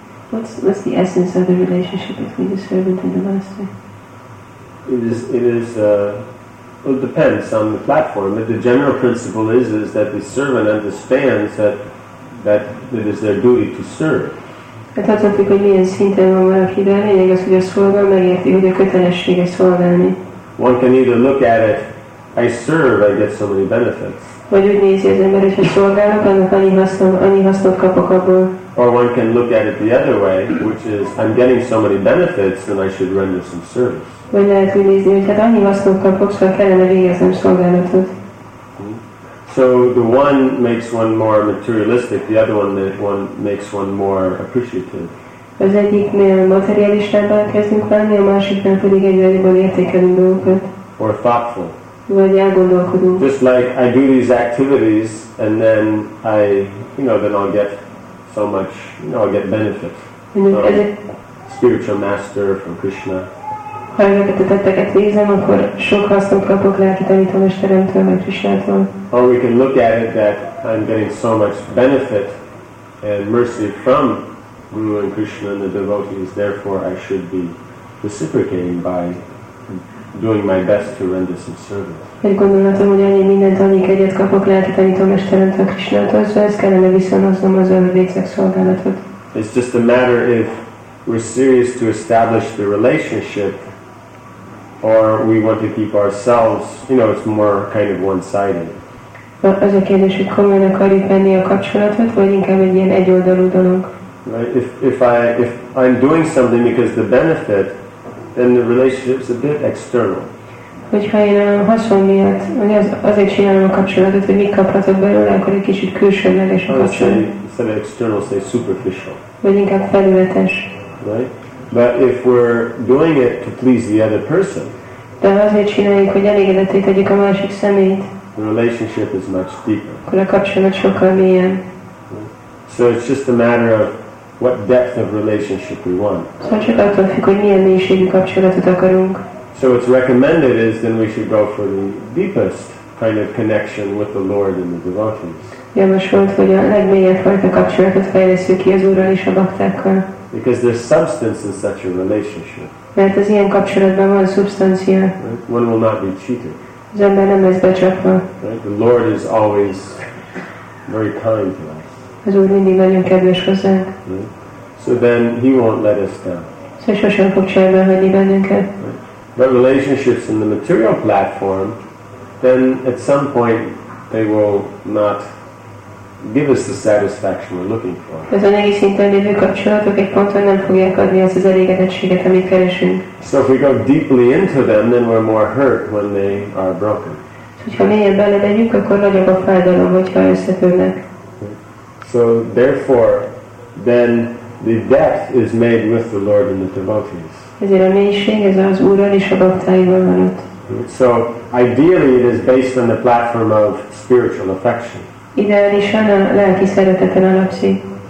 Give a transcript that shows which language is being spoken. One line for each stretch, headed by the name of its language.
English: What's the essence of the relationship between the servant and the master? It depends on the platform, but the general principle is that the servant understands that it is their duty to serve.
Hungarian: Hát attól függ, hogy milyen szinten van valaki, de a lényeg az, hogy a szolga megérti, hogy a kötelessége szolgálni.
English: One can either look at it, I serve, I get so many benefits.
Hungarian: Vagy úgy nézi az ember, hogy ha szolgálok, annak annyi hasznot kapok abból.
English: Or one can look at it the other way, which is, I'm getting so many benefits, then I should render some service.
Hungarian: Vagy lehet úgy nézni, hogy hát annyi hasznot kapok, szóval kellene végeznem szolgálatot.
English: So the one makes one more materialistic, the other one makes one more appreciative.
Hungarian: Az egyiknél materialistábbá kezdünk válni, a másiknál pedig egyre jobban értékelünk dolgokat.
English: Or thoughtful.
Hungarian: Vagy elgondolkodunk.
English: Just like I do these activities, and then I, you know, then I'll get so much, you know, I'll get benefit. Spiritual master from Krishna.
Hungarian: Ha ezeket a tetteket nézem, akkor sok hasznot kapok lelki tanítómesteremtől, vagy Krisnától.
English: Or we can look at it that I'm getting so much benefit and mercy from Guru and Krishna and the devotees, therefore I should be reciprocating by doing my best to render some service.
Hungarian: Én gondolhatom, hogy annyi mindent, annyi kegyet kapok lelki tanítómesteremtől, Krisnától, szóval ezt kellene viszonoznom az önvégzek szolgálatot.
English: It's just a matter if we're serious to establish the relationship, or we want to keep ourselves, you know, it's more kind of one-sided.
Hungarian: Az a kérdés, hogy komolyan akarjuk venni a kapcsolatot, vagy inkább egy ilyen egyoldalú dolog.
English: Right? If I'm doing something because the benefit, then the relationship's a bit external.
Hungarian: Hogyha én a haszon miatt, vagy azért csinálom a kapcsolatot, hogy mit kaphatok belőle, akkor egy kicsit külsőleges a kapcsolat.
English: Say external, say superficial.
Hungarian: Vagy inkább felületes.
English: Right? But if we're doing it to please the other person,
Hungarian: de azért csináljuk, hogy elégedetté tegyük a másik szemét,
English: the relationship is much deeper.
Hungarian: Akkor a kapcsolat sokkal mélyebb.
English: So it's just a matter of what depth of relationship we want.
Hungarian: Szóval csak attól függ, hogy milyen mélységű kapcsolatot akarunk.
English: So what's recommended is then we should go for the deepest kind of connection with the Lord and the devotees.
Hungarian: Javasolt, hogy a legmélyebb fajta kapcsolatot fejlesszük ki az Úrral és a baktákkal.
English: Because there's substance in such a relationship.
Hungarian: Mert az ilyen kapcsolatban van szubstancia.
English: Right? One will not be cheated.
Hungarian: Az ember nem lesz becsapva.
English: Right? The Lord is always very kind to us.
Hungarian: Az Úr mindig nagyon kedves hozzánk.
English: So then he won't let us down.
Hungarian: Szóval sosem fog cserben hagyni bennünket.
English: Right? But relationships in the material platform, then at some point they will not give us the satisfaction we're looking for.
Hungarian: Az anyagi szinten lévő kapcsolatok egy ponton nem fogják adni azt az elégedettséget, amit keresünk.
English: So if we go deeply into them, then we're more hurt when they are broken.
Hungarian: Hogyha mélyen belemegyünk, akkor nagyobb a fájdalom, hogyha összetörnek.
English: So therefore, then the depth is made with the Lord and the devotees.
Hungarian: Ezért a mélység ez az Úrral és a baktáival van ott.
English: So ideally, it is based on the platform of spiritual affection.
Hungarian: Ideálisan a lelki szereteten alapszik.